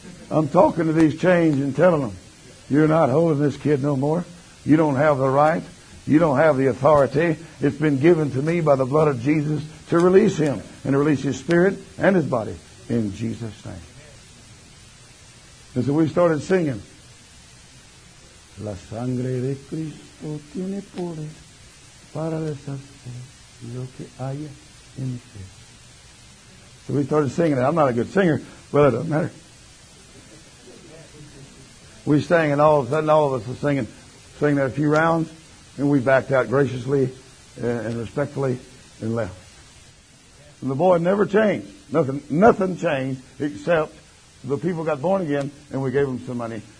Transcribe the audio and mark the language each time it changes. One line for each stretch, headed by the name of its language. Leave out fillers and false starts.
English: I'm talking to these chains and telling them, you're not holding this kid no more. You don't have the right. You don't have the authority. It's been given to me by the blood of Jesus to release him and to release his spirit and his body in Jesus' name. And so we started singing.
Spanish: La sangre de Cristo tiene poder para deshacer lo que haya en ti.
English: So we started singing it. I'm not a good singer, but it doesn't matter. We sang, and all of a sudden, all of us were singing, sang that a few rounds, and we backed out graciously and respectfully and left. And the boy never changed. Nothing changed except the people got born again and we gave them some money.